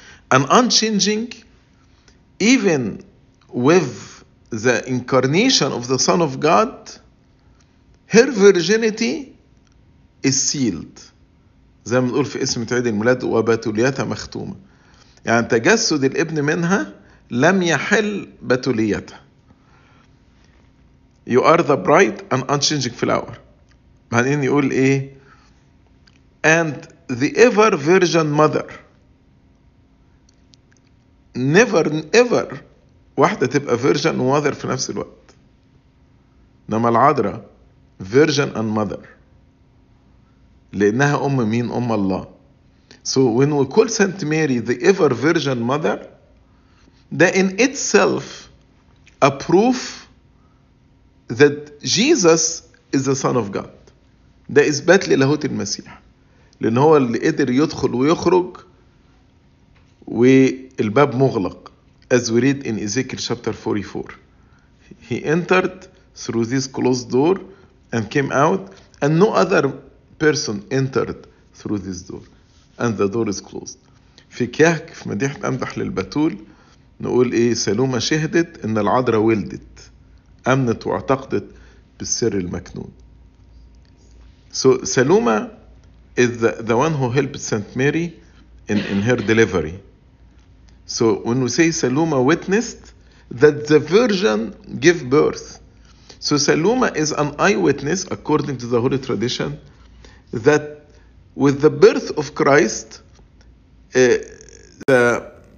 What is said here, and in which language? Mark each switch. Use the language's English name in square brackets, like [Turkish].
[English] And unchanging, even with the incarnation of the Son of God, her virginity is sealed. [Arabic] زي ما نقول في اسم تعيد الميلاد وبتوليتها مختومة. يعني تجسد الابن منها لم يحل بتوليتها. [English] You are the bright and unchanging flower. [Arabic] بعدين يقول ايه؟ [English] And the ever virgin mother. Never ever [Arabic] واحدة تبقى [English] virgin and mother [Arabic] في نفس الوقت. نما العذراء [English] virgin and mother. [Arabic] لأنها أم مين؟ أم الله. [English] So when we call Saint Mary the ever virgin mother, that in itself a proof that Jesus is the son of God. [Arabic] ده إثبات للاهوت المسيح. لأن هو اللي قدر يدخل ويخرج والباب مغلق. [English] As we read in Ezekiel chapter 44. He entered through this closed door and came out, and no other person entered through this door. And the door is closed. [Arabic] في كهك في مديحة أمدح للبتول نقول إيه؟ سلومة شهدت إن العذراء ولدت. أمنت واعتقدت بالسر المكنون. [English] So Saloma is the one who helped Saint Mary in her delivery. So when we say Saloma witnessed that the virgin gave birth. So Saloma is an eyewitness, according to the holy tradition, that with the birth of Christ, the